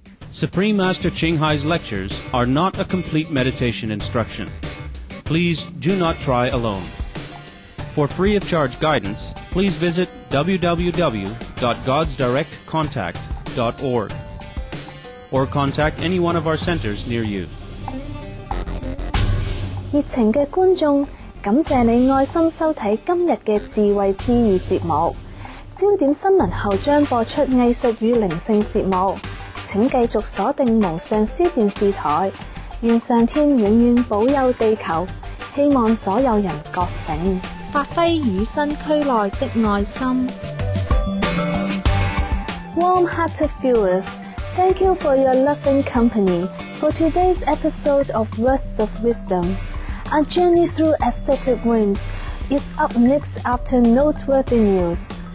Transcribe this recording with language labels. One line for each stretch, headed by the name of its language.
English: Supreme Master Ching Hai's lectures are not a complete meditation instruction. Please do not try alone. For free of charge guidance, please visit www.godsdirectcontact.org or contact any one of our centers near you.
Chinese: 热情的观众，感谢你爱心收睇今日的智慧之语节目。焦点新闻后将播出艺术与灵性节目，请继续锁定无上师电视台。愿上天永远保佑地球，希望所有人觉醒，发挥与身俱来的爱心。
English: Warm-hearted viewers, thank you for your loving company for today's episode of Words of Wisdom. Our journey through aesthetic realms is up next after noteworthy news.